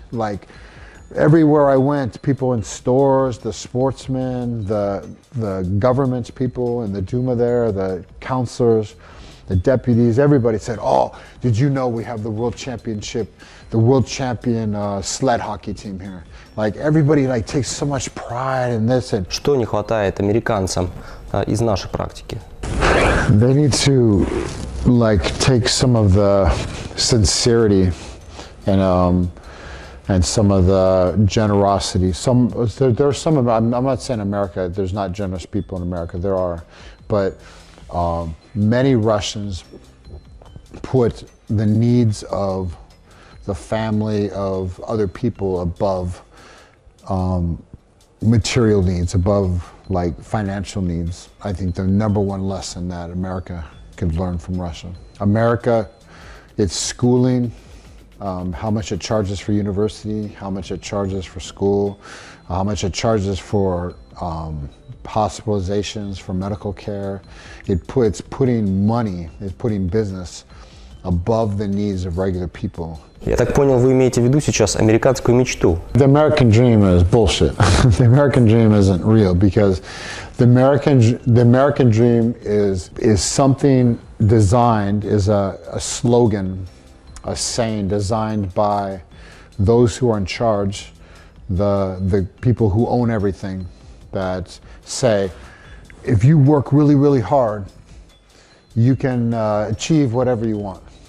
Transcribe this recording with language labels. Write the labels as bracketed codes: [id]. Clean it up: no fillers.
[en] Like, everywhere I went, people in stores, the sportsmen, the government people in the Duma there, the counselors, the deputies, everybody said, oh, did you know we have the world championship, the world champion sled hockey team here? Like everybody like takes so much pride in this. And [ru] что не хватает американцам из нашей практики? [en] They need to like take some of the sincerity and some of the generosity. I'm not saying America, there's not generous people in America, there are, but many Russians put the needs of the family of other people above material needs, above like financial needs. I think the number one lesson that America could learn from Russia. America, it's schooling, how much it charges for university, how much it charges for school, how much it charges for hospitalizations, for medical care. It's putting money, it's putting business above the needs of regular people. [ru] Я так понял, вы имеете в виду сейчас американскую мечту. [en] The American dream is bullshit. The American dream isn't real because the American dream is something designed, is a slogan, a saying designed by those who are in charge, the people who own everything, that say, if you work really, really hard, you can achieve whatever you want.